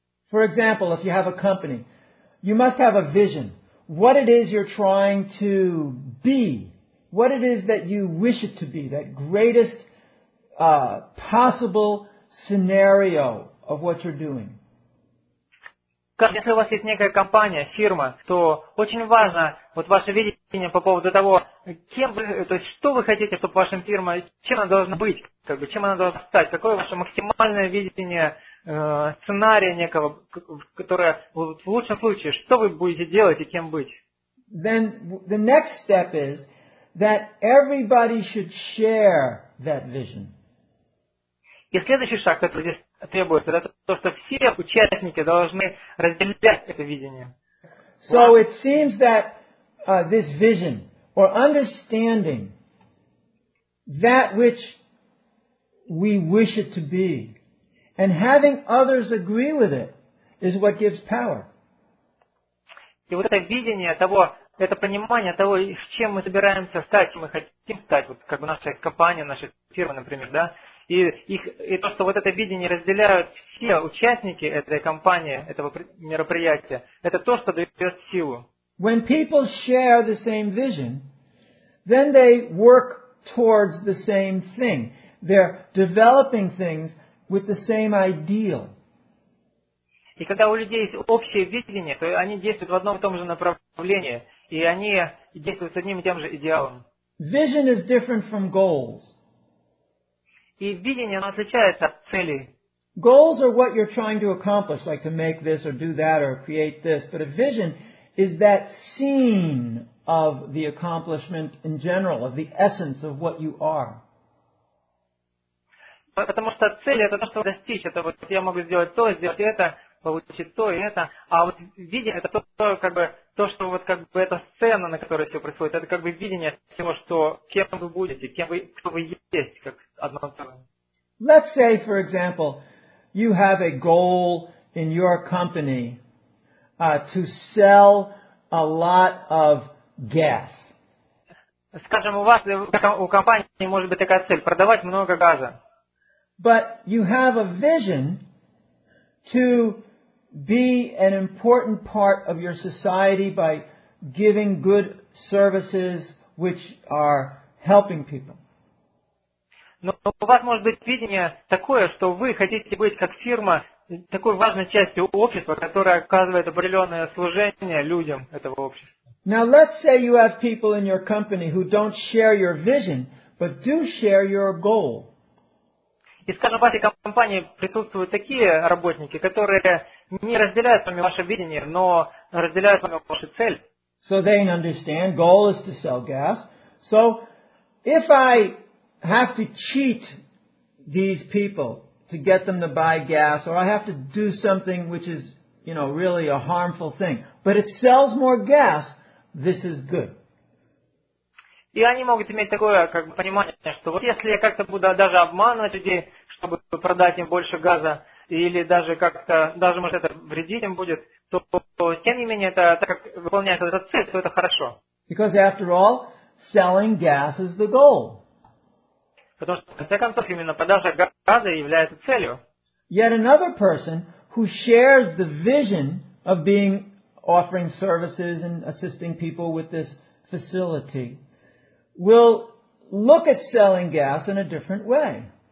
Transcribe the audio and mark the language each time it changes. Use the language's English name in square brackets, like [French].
[English] For example, if you have a company, you must have a vision. What it is you're trying to be, what it is that you wish it to be, that greatest possible scenario of what you're doing. [Russian] Если у вас есть некая компания, фирма, то очень важно вот ваше видение по поводу того, кем вы, то есть что вы хотите, чтобы ваша фирма, чем она должна быть, как бы, чем она должна стать, какое ваше максимальное видение сценария некого, которое вот, в лучшем случае, что вы будете делать и кем быть. [English] Then the next step is that everybody should share that vision. [Russian] И следующий шаг, который здесь требуется, это то, что все участники должны разделять это видение. [English] So it seems that this vision or understanding that which we wish it to be and having others agree with it is what gives power. [Russian] И вот это видение того, это понимание того, чем мы собираемся стать, чем мы хотим стать, вот как бы наша компания, наша фирма, например, да, и то, что вот это видение разделяют все участники этой компании, этого мероприятия, это то, что дает силу. [English] When people share the same vision, then they work towards the same thing. They're developing things with the same ideal. [Russian] И когда у людей есть общее видение, то они действуют в одном и том же направлении, и они действуют с одним и тем же идеалом. [English] Vision is different from goals. [Russian] И видение, оно отличается от целей. [English] Goals are what you're trying to accomplish, like to make this or do that or create this. But a vision is that scene of the accomplishment in general, of the essence of what you are. [Russian] Потому что цель – это то, что достичь. Это вот я могу сделать то, сделать это, получить то и это. А вот видение – это то, как бы, то, что вот как бы эта сцена, на которой все происходит. Это как бы видение всего, что кем вы будете, кем вы, кто вы есть, как одно целое. [English] Let's say, for example, you have a goal in your company to sell a lot of gas. [Russian] Скажем, у вас, у компании может быть такая цель – продавать много газа. [English] But you have a vision to be an important part of your society by giving good services which are helping people. [Russian] Но у вас может быть видение такое, что вы хотите быть как фирма такой важной частью общества, которая оказывает определенное служение людям этого общества. [English] Now let's say you have people in your company who don't share your vision, but do share your goal. [Russian] И, скажем, в вашей компании присутствуют такие работники, которые не разделяют с вами ваше видение, но разделяют с вами вашу цель. [English] So they understand, goal is to sell gas. So if I have to cheat these people to get them to buy gas, or I have to do something which is, you know, really a harmful thing, but it sells more gas, this is good. [Russian] И они могут иметь такое как бы, понимание, что вот если я как-то буду даже обманывать людей, чтобы продать им больше газа, или даже как-то, даже может это вредить им будет, то тем не менее, это, так как выполняет эту цель, то это хорошо. [English] Because after all, selling gas is the goal. [Russian] Потому что, в конце концов, именно продажа газа является целью. [English] Yet another person who shares the vision of being offering services and assisting people with this facility will look at selling gas in a different way.